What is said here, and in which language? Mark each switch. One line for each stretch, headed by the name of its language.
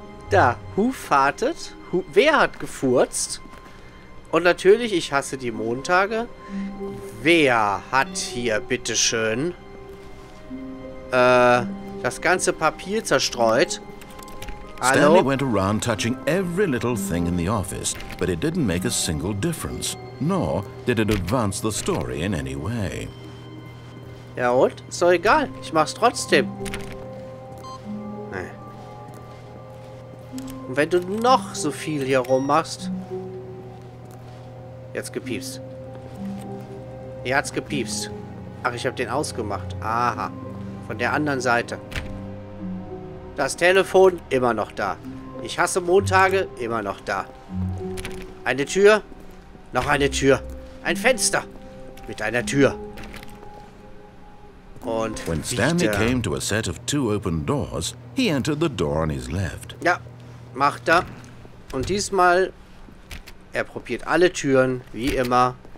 German: Da,
English: who farted? Who,
German: wer hat gefurzt? Und natürlich, ich hasse die Montage. Wer hat hier, bitteschön, das ganze Papier zerstreut? Hallo?
English: Stanley went around touching every little thing in the office, but it didn't make a single difference, nor did it advance the story in any way.
German: Ja und? So egal, ich mach's trotzdem. Und wenn du noch so viel hier rummachst... Jetzt gepiepst. Er hat's gepiepst. Ach, ich hab den ausgemacht. Aha. Von der anderen Seite. Das Telefon, immer noch da. Ich hasse Montage, immer noch da. Eine Tür. Noch eine Tür. Ein Fenster. Mit einer Tür. Und
English: when Stanley came to a set of two open doors, he entered the door on his left.
German: Ja, macht er. Und diesmal, er probiert alle Türen, wie immer.